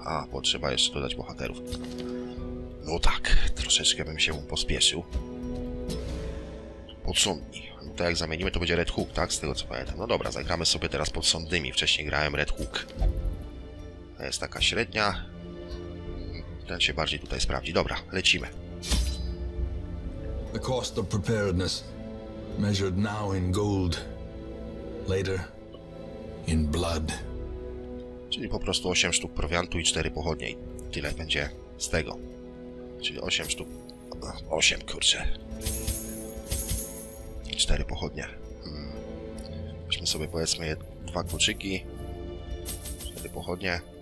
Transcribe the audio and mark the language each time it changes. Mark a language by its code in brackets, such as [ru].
[pl] A, potrzeba jeszcze dodać bohaterów. No tak, troszeczkę bym się pospieszył. Podsądni. No to jak zamienimy, to będzie Red Hook, tak? Z tego co pamiętam. No dobra, zagramy sobie teraz podsądnymi. Wcześniej grałem Red Hook. To jest taka średnia. Ten się bardziej tutaj sprawdzi. Dobra, lecimy. [en] The cost of preparedness measured now in gold, later in blood. [pl] Czyli po prostu 8 sztuk prowiantu i 4 pochodnie. Tyle będzie z tego. Czyli 8 sztuk... 8, kurczę. I 4 pochodnie. Weźmy sobie, powiedzmy, 2 kluczyki. 4 pochodnie.